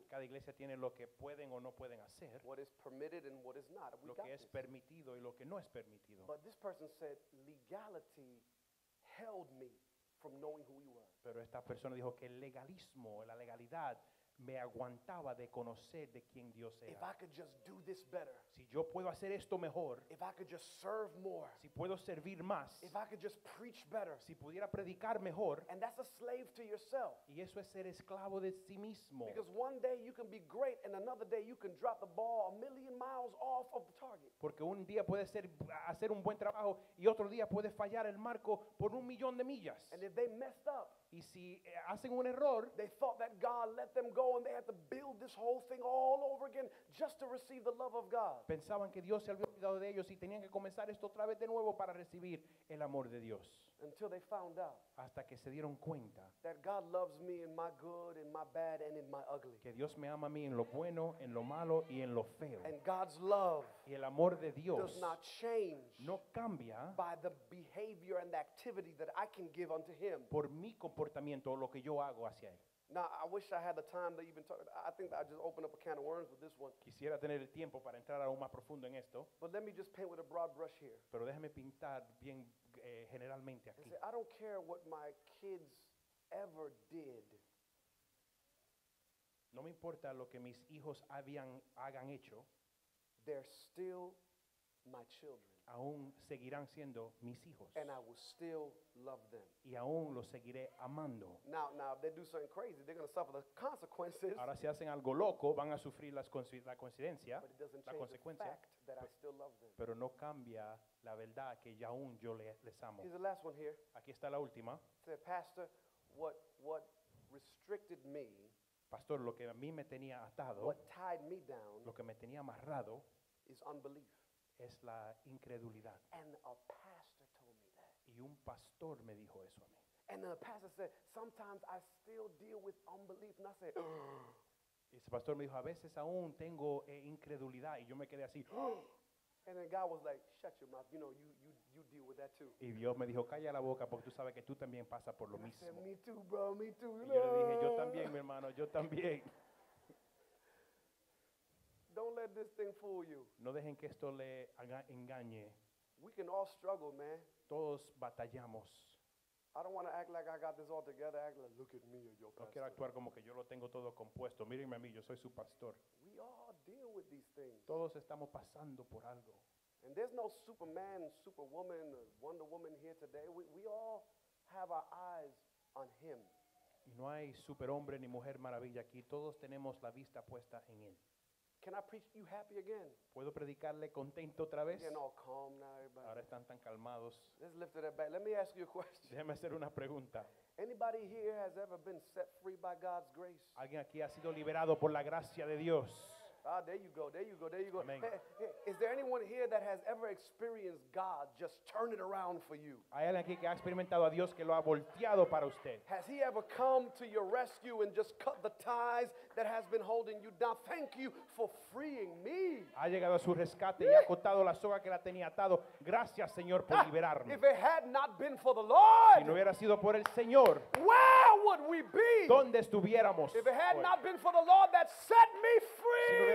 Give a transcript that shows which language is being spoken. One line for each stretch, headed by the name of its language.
Spanish: Cada iglesia tiene lo que pueden o no pueden hacer.
English: What is permitted and what is not.
Spanish: Lo que es permitido y lo que no es permitido.
English: But this person said legality held me from knowing who he was.
Spanish: Pero esta persona dijo que el legalismo, la legalidad, me aguantaba de conocer de quién Dios era.
English: If I could just do this better.
Spanish: Si yo puedo hacer esto mejor.
English: If I could just serve more.
Spanish: Si puedo servir más.
English: If I could just preach better.
Spanish: Si pudiera predicar mejor.
English: And that's a slave to yourself.
Spanish: Y eso es ser esclavo de sí mismo.
English: Because one day you can be great and another day you can drop the ball a million miles off of the target.
Spanish: Porque un día puede ser hacer un buen trabajo y otro día puede fallar el marco por un millón de millas.
English: And if they messed up.
Spanish: Y si hacen un error,
English: they thought that God let them go and they had to build this whole thing all over again just to receive the love of God.
Spanish: Pensaban que Dios se había olvidado de ellos y tenían que comenzar esto otra vez de nuevo para recibir el amor de Dios.
English: Until they found out,
Spanish: hasta que se dieron cuenta,
English: that God loves me in my good, in my bad, and in my ugly.
Spanish: Que Dios me ama a mí en lo bueno, en lo malo y en lo feo.
English: And God's love,
Spanish: y el amor de Dios,
English: does not change,
Spanish: no cambia,
English: by the behavior and the activity that I can give unto Him.
Spanish: Por mi comportamiento o lo que yo hago hacia él.
English: Now I wish I had the time to even talk. I think I just opened up a can of worms with this one.
Spanish: Quisiera tener el tiempo para entrar aún más profundo en esto.
English: But let me just paint with a broad brush here.
Spanish: Pero déjame pintar bien. Generalmente aquí.
English: And say, I don't care what my kids ever did.
Spanish: No me importa lo que mis hijos hagan hecho.
English: They're still my children.
Spanish: Aún seguirán siendo mis hijos.
English: And I will still love them.
Spanish: Y aún los seguiré amando.
English: Now, if they do something crazy, they're going to suffer the consequences.
Spanish: Ahora si hacen algo loco, van a sufrir la coincidencia, la consecuencia.
English: But it doesn't change the fact that I still love them.
Spanish: Pero no cambia la verdad que ya aún yo les amo.
English: Here's the last one here.
Spanish: Aquí está la última.
English: Said, Pastor, what restricted me,
Spanish: Pastor, lo que a mí me tenía atado,
English: what tied me down,
Spanish: lo que me tenía amarrado,
English: is unbelief.
Spanish: Es la incredulidad.
English: And a pastor told me that.
Spanish: Y un pastor me dijo eso a mí.
English: And the pastor said, sometimes I still deal with unbelief. And I said,
Spanish: y ese pastor me dijo, a veces aún tengo incredulidad. Y yo me quedé así,
English: And then God was like, shut your mouth. You know, you deal with that too.
Spanish: Y Dios me dijo, calla la boca porque tú sabes que tú también pasas por lo mismo.
English: I said, me too, bro, me too.
Spanish: Y yo le dije, yo también, mi hermano, yo también.
English: Don't let this thing fool you.
Spanish: No dejen que esto le engañe.
English: We can all struggle, man.
Spanish: Todos batallamos.
English: I don't want to act like I got this all together. Act like, look at me, you're your pastor.
Spanish: No quiero actuar como que yo lo tengo todo compuesto. Mírenme a mí, yo soy su pastor.
English: We all deal with these things.
Spanish: Todos estamos pasando por algo.
English: And there's no Superman, Superwoman, Wonder Woman here today. We all have our eyes on Him.
Spanish: Y no hay superhombre ni mujer maravilla aquí. Todos tenemos la vista puesta en Él.
English: Can I preach you happy again?
Spanish: ¿Puedo predicarle contento otra vez?
English: Again, all calm now, everybody.
Spanish: Ahora están tan calmados.
English: Let's lift it up back. Let me ask you a question.
Spanish: Déjeme hacer una pregunta.
English: Anybody here has ever been set free by God's grace?
Spanish: ¿Alguien aquí ha sido liberado por la gracia de Dios?
English: Ah, there you go, there you go, there you go. Amen. Hey, is there anyone here that has ever experienced God just turn it around for you?
Spanish: ¿Hay alguien aquí que ha experimentado a Dios que lo ha volteado para usted?
English: Has he ever come to your rescue and just cut the ties that has been holding you down? Thank you for freeing me.
Spanish: Ha llegado a su rescate y ha cortado la soga que la tenía atado. Gracias, Señor, por liberarme.
English: If it had not been for the Lord,
Spanish: si no hubiera sido por el Señor,
English: where would we be?
Spanish: ¿Dónde estuviéramos?
English: If it had not been for the Lord that set me free.